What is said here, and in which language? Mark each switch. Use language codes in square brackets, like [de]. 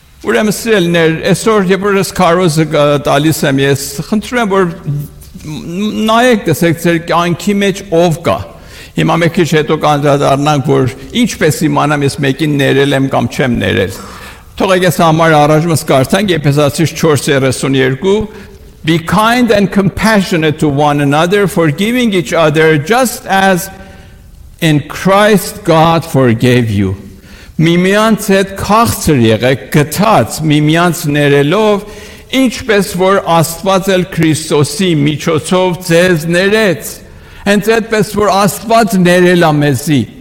[hy] Ուրեմն սիրելիներ, այսօր երբ ես կարոզը տալիս եմ, ես խնդրում եմ, որ նայեք, տեսեք ձեր կյանքի մեջ ով կա։ Հիմա մի քիչ հետո կանդրադառնանք, որ ինչպես իմանամ ես մեկին ներել եմ կամ չեմ ներել։ Թողեք ես համար առաջմս կարդանք Եփեսացի 4:32. [en] Be kind and compassionate to one another, forgiving each other, just as in Christ God forgave you. [hy] Միմյանց հետ քաղցր եղեք, գթած, միմյանց ներելով, ինչպես որ Աստված էլ Քրիստոսի միջոցով ձեզ ներեց։ Հենց այդպես որ Աստված ներել է մեզի